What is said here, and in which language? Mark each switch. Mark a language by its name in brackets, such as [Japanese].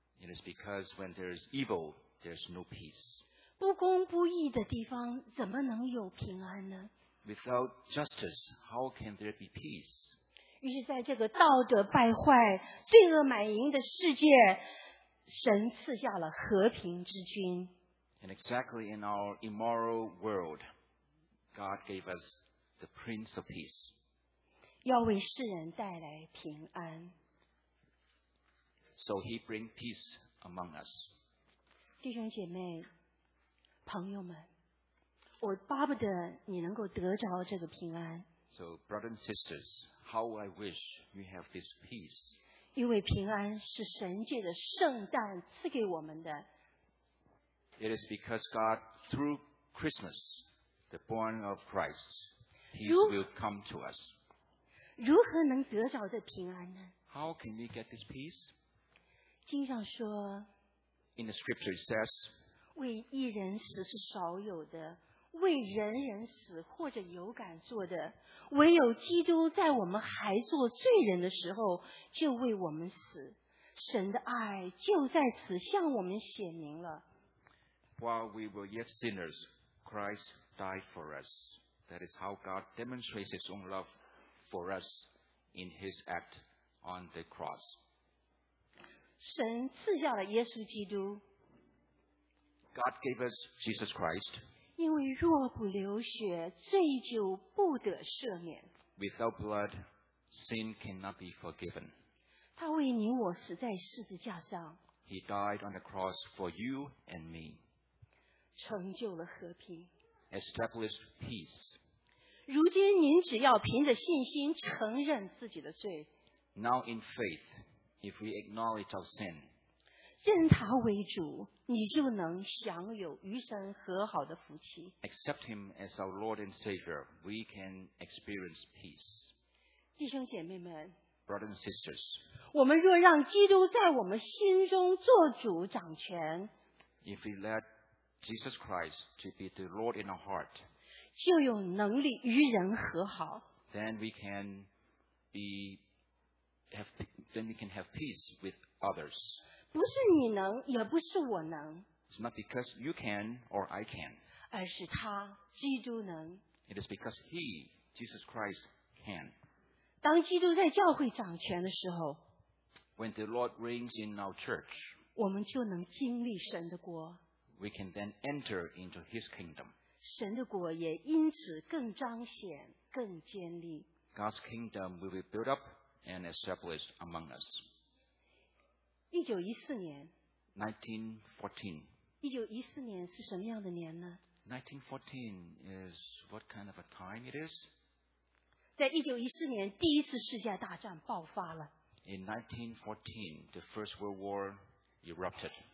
[English] is because when there is evil, there is no peace. [Chinese] 不公不义的地方怎么能有平安呢？ [English] Without justice, how can there be peace? [Chinese] 于是在这个道德败坏、罪恶满盈的世界，神赐下了和平之君。 [English] And exactly in our immoral world,God gave us the Prince of Peace. [Chinese] 要为世人带来平安。 [English] So he bring peace among us. [Chinese] 弟兄姐妹，朋友们，我巴不得你能够得着这个平安。 [English] So brothers and sisters, how I wish you have this peace. [Chinese] 因为平安是神借着圣诞赐给我们的。 [English] It is because God through Christmas. The born of Christ, peace will come to us. [Chinese] 如何能得着这平安呢？ [English] How can we get this peace? [Chinese] 经上说， [English] In the scripture it says, [Chinese] 为一人死是少有的，为人人死或者有敢做的，唯有基督在我们还做罪人的时候就为我们死，神的爱就在此向我们显明了。 [English] While we were yet sinners, ChristDie for us. That is how God demonstrates His own love for us in His act on the cross. [Chinese] 神赐下了耶稣基督。 [English] God gave us Jesus Christ. [Chinese] 因为若不流血，罪就不得赦免。 [English] Without blood, sin cannot be forgiven. [Chinese] 他为你我死在十字架上。 [English] He died on the cross for you and me. [Chinese] 成就了和平。 [English] Established peace. [Chinese] 如今您只要凭着信心承认自己的罪。 [English] Now in faith, if we acknowledge our sin, [Chinese] 认他为主，你就能享有与神和好的福气。 [English] Accept him as our Lord and Savior, we can experience peace. [Chinese] 弟兄姐妹们， [English] Brothers and sisters, [Chinese] 我们若让基督在我们心中做主掌权， [English] If we letJesus Christ to be the Lord in our heart, [Chinese] 就有能力与人和好。 [English] Then we can have peace with others. [Chinese] 不是你能，也不是我能。 [English] It's not because you can or I can. [Chinese] 而是他，基督能。 [English] It is because He, Jesus Christ, can. [Chinese] 当基督在教会掌权的时候， [English] When the Lord reigns in our church, [Chinese] 我们就能经历神的国。 [English] We can then enter into His kingdom. [Chinese] 神的国也因此更彰显，更坚立。 [English] God's kingdom will be built up and established among us. [Chinese] 1914年， [English] 1914 [Chinese] 1914年是什么样的年呢？ [English] 1914 is what kind of a time it is? [Chinese] 在1914年第一次世界大战爆发了。 [English] In 1914, the First World War erupted.